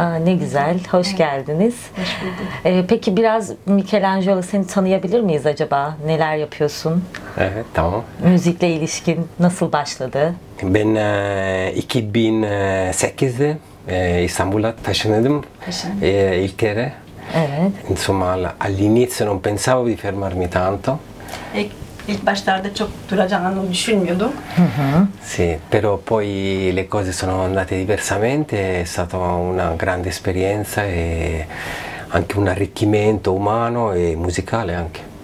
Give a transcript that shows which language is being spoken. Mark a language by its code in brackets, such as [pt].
[tr] Ne güzel. Hoş evet. geldiniz. Hoş bulduk. Peki biraz Michelangelo, seni tanıyabilir miyiz acaba? Neler yapıyorsun? Evet, tamam. Müzikle ilişkin nasıl başladı? Ben 2008'de İstanbul'a taşındım. İlk kere. Evet. [it] Insomma, all'inizio non pensavo di fermarmi tanto. [tr] İlk başlarda çok duracağını düşünmüyordum. [it] Sì, però poi le cose sono andate diversamente, è stata una grande esperienza e anche un arricchimento umano e musicale anche.